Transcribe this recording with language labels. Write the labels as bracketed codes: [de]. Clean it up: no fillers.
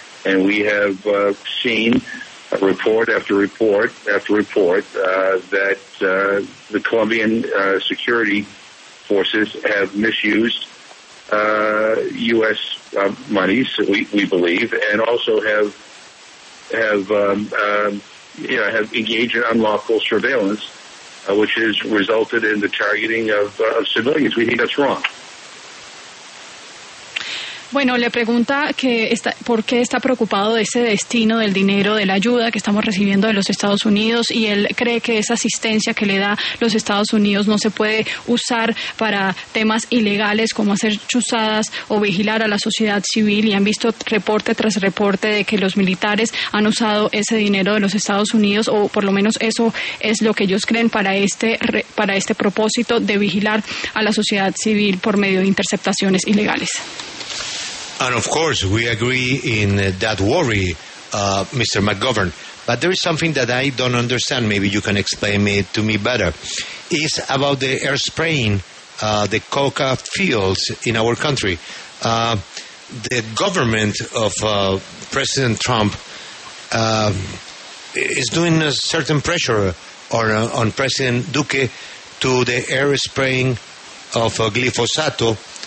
[en] And we have seen report after report after report that the Colombian security forces have misused U.S. Monies, we believe, and also have engaged in unlawful surveillance, which has resulted in the targeting of civilians. We think that's wrong. [es] Bueno, le pregunta que está, por qué está preocupado de ese destino del dinero, de la ayuda que estamos recibiendo de los Estados Unidos, y él cree que esa asistencia que le da los Estados Unidos no se puede usar para temas ilegales como hacer chuzadas o vigilar a la sociedad civil, y han visto reporte tras reporte de que los militares han usado ese dinero de los Estados Unidos, o por lo menos eso es lo que ellos creen para este propósito de vigilar a la sociedad civil por medio de interceptaciones ilegales. [en] And of course, we agree in that worry, Mr. McGovern. But there is something that I don't understand. Maybe you can explain it to me better. It's about the air spraying the coca fields in our country. The government of President Trump is doing a certain pressure on President Duque to the air spraying of glyphosato.